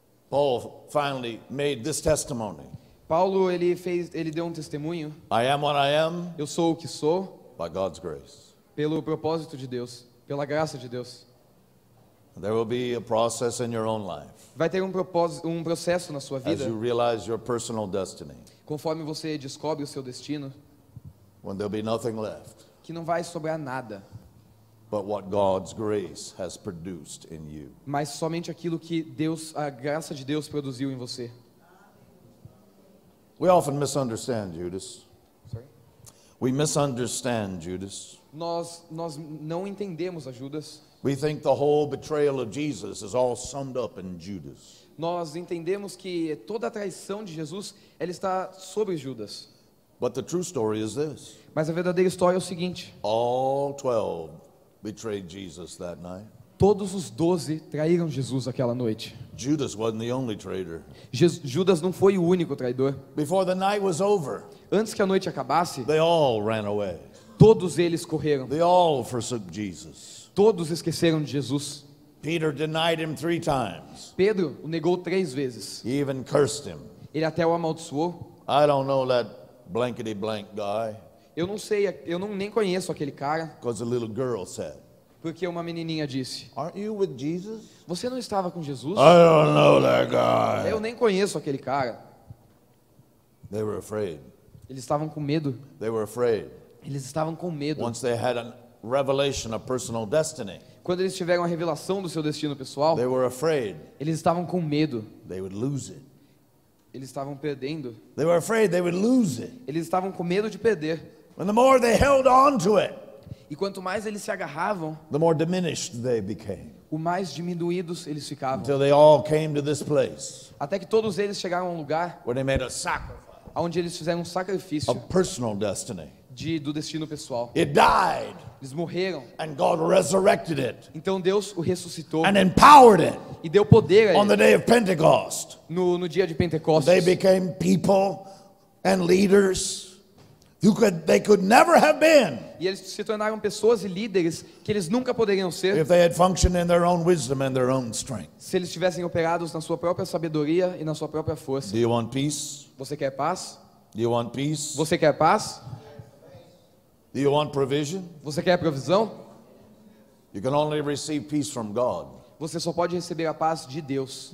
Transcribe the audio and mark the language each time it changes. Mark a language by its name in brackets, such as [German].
[English] Paul finally made this testimony. [Portuguese] Paulo ele deu um testemunho. [English] I am what I am. [Portuguese] Eu sou o que sou. [English] By God's grace. [Portuguese] Pelo propósito de Deus, pela graça de Deus. [English] There will be a process in your own life. [Portuguese] Vai ter um processo na sua vida. [English] As you realize your personal destiny. [Portuguese] Conforme você descobre o seu destino. [English] When there'll be nothing left. [Portuguese] Que não vai sobrar nada. [English] But what God's grace has produced in you. [Portuguese] Mas somente aquilo que Deus, a graça de Deus produziu em você. [English] We often misunderstand Judas. We misunderstand Judas. [Portuguese] Nós não entendemos a Judas. [English] We think the whole betrayal of Jesus is all summed up in Judas. [Portuguese] Nós entendemos que toda a traição de Jesus ela está sobre Judas. [English] But the true story is this. [Portuguese] Mas a verdadeira história é o seguinte. [English] All 12 betrayed Jesus that night. [Portuguese] Todos os 12 traíram Jesus aquela noite. [English] Judas wasn't the only traitor. [Portuguese] Judas não foi o único traidor. [English] Before the night was over, [Portuguese] antes que a noite acabasse, [English] they all ran away. [Portuguese] Todos eles correram. [English] They all forsook Jesus. [Portuguese] Todos esqueceram de Jesus. [English] Peter denied him 3 times. [Portuguese] Pedro o negou 3 vezes. [English] He even cursed him. [Portuguese] Ele até o amaldiçoou. [English] I don't know that blankety blank guy. [Portuguese] Eu não sei, eu não nem conheço aquele cara. [English] Because a little girl said. [Portuguese] Porque uma menininha disse. [English] Aren't you with Jesus? [Portuguese] Você não estava com Jesus? [English] I don't know that guy. [Portuguese] Eu nem conheço aquele cara. [English] They were afraid. [Portuguese] Eles estavam com medo. [English] They were afraid. [Portuguese] Eles estavam com medo. [English] Once they had a revelation of personal destiny. [Portuguese] Quando eles tiveram a revelação do seu destino pessoal, [English] they were afraid. [Portuguese] Eles estavam com medo. [English] They would lose it. [Portuguese] Eles estavam perdendo. [English] They were afraid they would lose it. [Portuguese] Eles estavam com medo de perder. [English] And the more they held on to it, [Portuguese] e quanto mais eles se agarravam, [English] the more diminished they became. [Portuguese] O mais diminuídos eles ficavam. [English] Until they all came to this place, [Portuguese] até que todos eles chegaram a um lugar, [English] where they made a sacrifice, [Portuguese] onde eles fizeram um sacrifício, [English] a personal destiny, [Portuguese] do destino pessoal. [English] It died, [Portuguese] eles morreram, [English] and God resurrected it, [Portuguese] então Deus o ressuscitou, [English] and empowered it, [Portuguese] e deu poder a ele, [English] on the day of Pentecost, [Portuguese] no dia de Pentecostes. [English] They became people and leaders who could, they could never have been. [Portuguese] E eles se tornaram pessoas e líderes que eles nunca poderiam ser. [English] If they had functioned in their own wisdom and their own strength. [Portuguese] Se eles tivessem operados na sua própria sabedoria e na sua própria força. [English] Do you want peace? [Portuguese] Você quer paz? [English] Do you want peace? [Portuguese] Você quer paz? [English] Do you want provision? [Portuguese] Você quer provisão? [English] You can only receive peace from God. [Portuguese] Você só pode receber a paz de Deus.